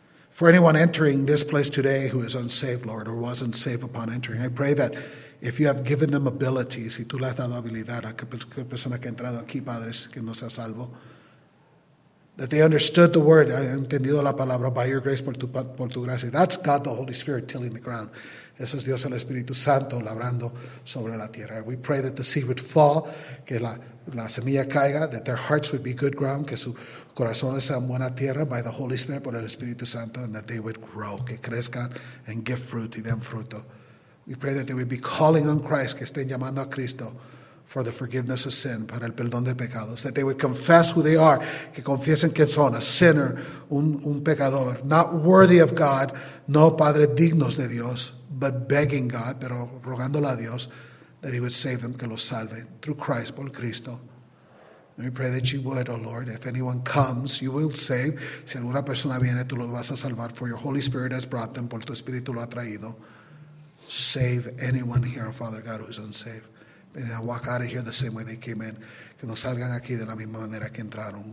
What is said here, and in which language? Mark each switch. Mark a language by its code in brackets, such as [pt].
[en] For anyone entering this place today who is unsaved, Lord, or wasn't saved upon entering, I pray that if you have given them abilities, [es] si tú le has dado habilidad a cualquier persona que ha entrado aquí, padres, que no sea salvo, [en] that they understood the word, [es] han entendido la palabra, [en] by your grace, [es] por tu gracia. [en] That's God, the Holy Spirit, tilling the ground. [es] Eso es Dios, el Espíritu Santo, labrando sobre la tierra. [en] We pray that the seed would fall, [es] que la semilla caiga, [en] that their hearts would be good ground, [es] que su corazones sean buena tierra, [en] by the Holy Spirit, [es] por el Espíritu Santo, [en] and that they would grow, [es] que crezcan [en] and give fruit, [es] y den fruto. [en] We pray that they would be calling on Christ, [es] que estén llamando a Cristo, [en] for the forgiveness of sin, [es] para el perdón de pecados. [en] That they would confess who they are, [es] que confiesen que son [en] a sinner, [es] un pecador, [en] not worthy of God, [es] no, Padre, dignos de Dios, [en] but begging God, [es] pero rogándole a Dios, [en] that he would save them, [es] que los salve, [en] through Christ, [es] por Cristo. [en] And we pray that you would, O Lord, if anyone comes, you will save. [es] Si alguna persona viene, tú lo vas a salvar, [en] for your Holy Spirit has brought them, [es] por tu Espíritu lo ha traído. [en] Save anyone here, Father God, who is unsaved. May they walk out of here the same way they came in. [es] Que no salgan aquí de la misma manera que entraron.